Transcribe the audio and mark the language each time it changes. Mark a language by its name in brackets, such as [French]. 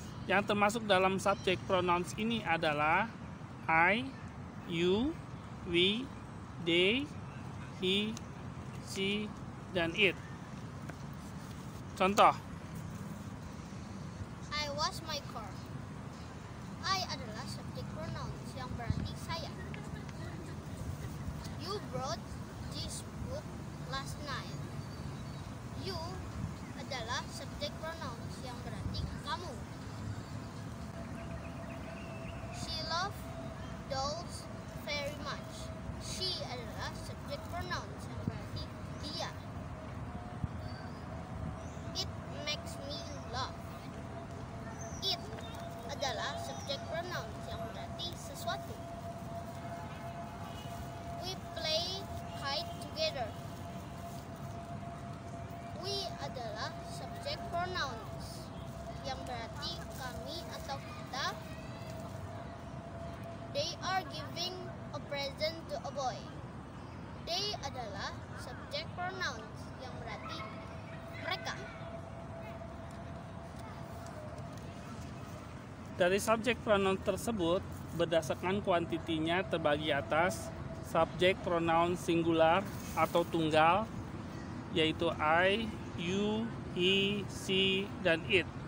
[Indonesian] Yang termasuk dalam subjek pronouns ini adalah I, you, we, they, he, she, dan it. Contoh. [English] I wash my car. [Indonesian] I adalah subjek pronouns yang berarti saya. [English] You brought this book last night. [Indonesian] You adalah subjek pronouns yang berarti kamu. [English] She loves dolls very much. [Indonesian] She adalah subjek pronouns yang berarti dia. [English] It makes me love. [Indonesian] It adalah subjek pronouns yang berarti sesuatu. [English] We play kite together. [Indonesian] We adalah subjek pronouns yang berarti kami atau kita. [English] They are giving a present to a boy. [Indonesian] They adalah subject pronouns yang berarti mereka. Dari subject pronoun tersebut, berdasarkan kuantitinya terbagi atas subject pronoun singular atau tunggal, yaitu I, you, he, she, dan it.